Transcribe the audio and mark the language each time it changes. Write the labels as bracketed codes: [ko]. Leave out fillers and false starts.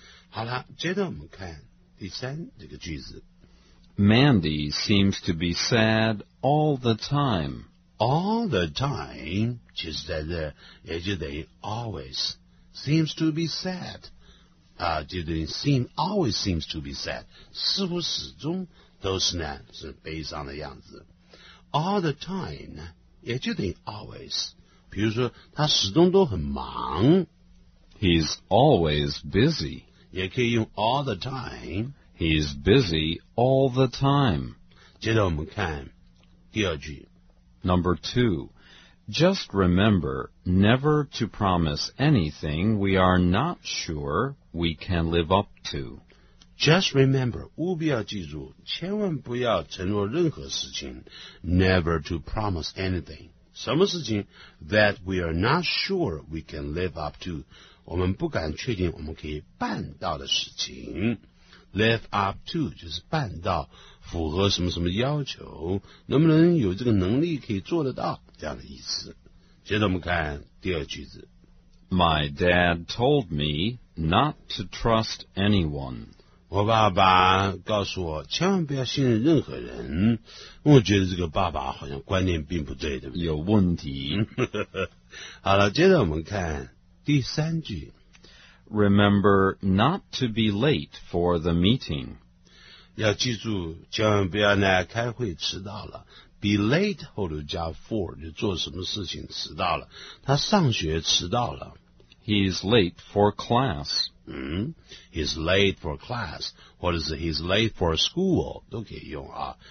[zh] 好了，接着我们看第三这个句子。 [en] Mandy seems to be sad all the time. [zh] All the time, 其实在这也就等于 always, seems to be sad, 就等于 seem, always seems to be sad, 似乎始终都是呢是悲伤的样子。 All the time, 也就等于 always, 比如说他始终都很忙。 [en] He's always busy. [zh] 也可以用 all the time, [en] He's busy all the time. [zh] 接着我们看第二句。 [en] Number two, just remember never to promise anything we are not sure we can live up to. [zh] Just remember, 务必要记住，千万不要承诺任何事情。 [en] Never to promise anything. 什么事情 that we are not sure we can live up to. [zh] 我们不敢确定我们可以办到的事情。 Live up to, 就是办到符合什么什么要求能不能有这个能力可以做得到这样的意思。接着我们看第二句子。 [en] My dad told me not to trust anyone. [zh] 我爸爸告诉我千万不要信任任何人。我觉得这个爸爸好像观念并不对，对不对？有问题。好了，接着我们看第三句。 [en] Remember not to be late for the meeting. [zh] 要记住千万不要呢开会迟到了。 Be late 后头加 for 就做什么事情迟到了。他上学迟到了。 [en] He's late for class. He's late for class. 或者是 he's late for school 都可以用啊。